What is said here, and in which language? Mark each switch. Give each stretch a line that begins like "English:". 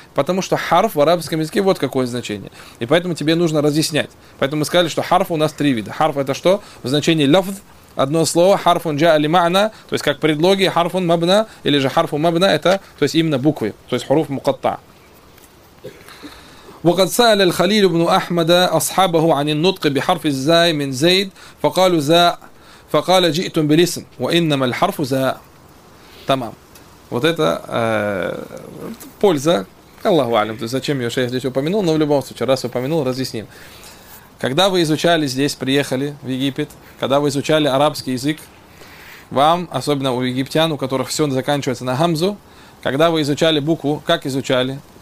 Russian: Потому что «харф» в арабском языке вот какое значение. И поэтому тебе нужно разъяснять. Поэтому мы сказали, что «харф» у нас три вида. «Харф» это что? В значении «лафз». Одно слово «харфун джа алима'на», то есть как предлоги «харфун мабна» или же «харфун мабна» – это то есть именно буквы, то есть «хуруф мукатта».
Arabic: وقد سأل الخليل بن أحمد أصحابه عن النطق بحرف الزاي من زيد فقالوا زاء فقال جئتم بالاسم وإنما الحرف زاء.
Russian: تمام. Вот это польза. Аллаху алим. То есть зачем ее шейх здесь упомянул, но в любом случае, раз упомянул, разъясним. Когда вы изучали здесь, приехали в Египет, когда вы изучали арабский язык, вам, особенно у египтян, у которых все заканчивается на хамзу, когда вы изучали букву, как изучали?